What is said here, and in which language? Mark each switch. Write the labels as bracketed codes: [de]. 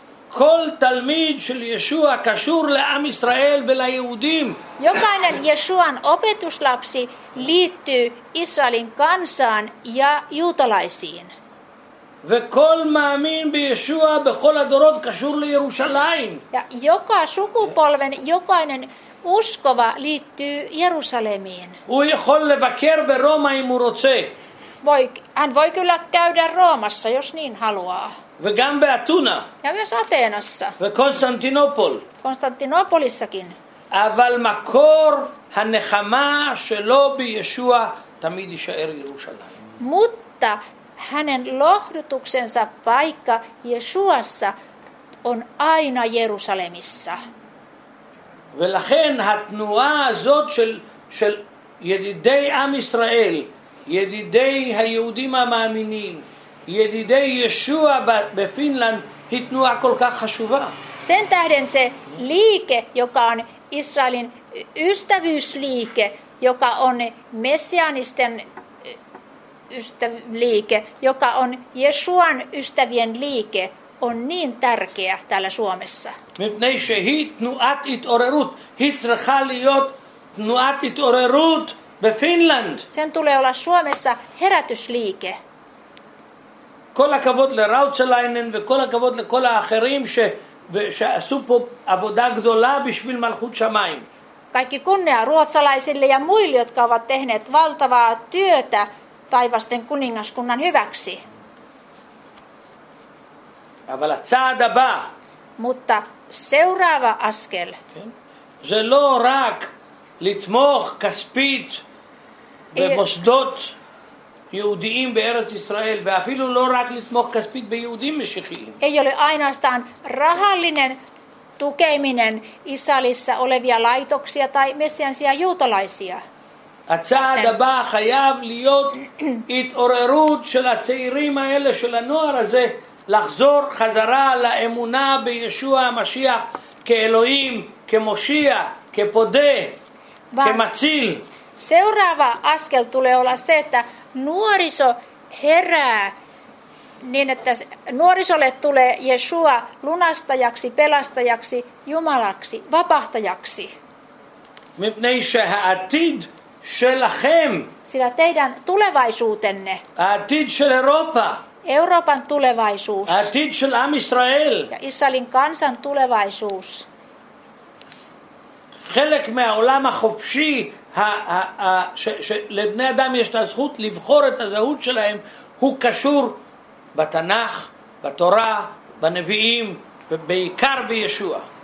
[he] כל תלמיד של ישוע קשור לעם ישראל וליהודים. [fi] Jokainen Yeshuan opetuslapsi liittyy Israelin kansaan ja juutalaisiin. [he] וכל מאמין בישוע בכל הדורות קשור לירושלים. [fi] Ja joka sukupolven jokainen uskova liittyy Jerusalemiin. [he] הוא יכול לבקר ברומא אם הוא רוצה. [fi] Hän voi kyllä käydä Roomassa, jos niin haluaa. [he] וגם באתונה. [fi] Ja myös Ateenassa. [he] וקונסטנטינופול. [fi] קונסטנטינופוליסקין. [he] אבל מקור הנחמה שלו בישוע תמיד יישאר ירושלים. [fi] Mutta hänen lohdutuksensa paikka Yeshuassa on aina Jerusalemissa. [he] ולכן התנועה הזאת של ידידי עם ישראל, ידידי היהודים המאמינים, ידידי ישוע בפינלנד, היא תנועה כל כך חשובה. [fi] Sen tähden se liike, joka on Israelin ystävyysliike, joka on messianisten ystävyysliike, joka on Yeshuan ystävien liike, on niin tärkeä täällä Suomessa. [he] מפני שהיא תנועת התעוררות, היא צריכה להיות תנועת התעוררות בפינלנד. [fi] Sen tulee olla Suomessa herätysliike. [he] כל הכבוד לראוצ'ליינן וכל הכבוד לכל האחרים ש שעשו פה עבודה גדולה בשביל מלכות שמיים. [fi] Kaikki kunnia ruotsalaisille ja muille, jotka ovat tehneet valtavaa työtä taivasten kuningaskunnan hyväksi. [he] אבל הצעד הבא. [fi] Mutta seuraava askel. [he] זה לא רק לתמוך כספית במוסדות יהודיים בארץ ישראל, ואפילו לא רק לתמוך כספית ביהודים משיחיים. [fi] Ei ole ainoastaan rahallinen tukeminen Israelissa olevia laitoksia tai messiaanisia juutalaisia. [he] הצעד הבא חייב להיות התעוררות של הצעירים האלה, של הנוער הזה, לחזור חזרה לאמונה בישוע המשיח כאלוהים, כמושיע, כפודה, כמציל. [fi] Seuraava askel tulee olla se, että nuoriso herää niin, että nuorisolle tulee Yeshua lunastajaksi, pelastajaksi, jumalaksi, vapahtajaksi. [he] Mipnei se haatid shelachem. [fi] Sillä teidän tulevaisuutenne. [he] Haatid shel Europa. [fi] Euroopan tulevaisuus. [he] Haatid shel Am Israel. [fi] Ja Israelin kansan tulevaisuus. [he] חלק מהעולם החופשי שלבני אדם יש את הזכות לבחור את הזהות שלהם הוא קשור בתנך, בתורה, בנביאים ובעיקר בישוע.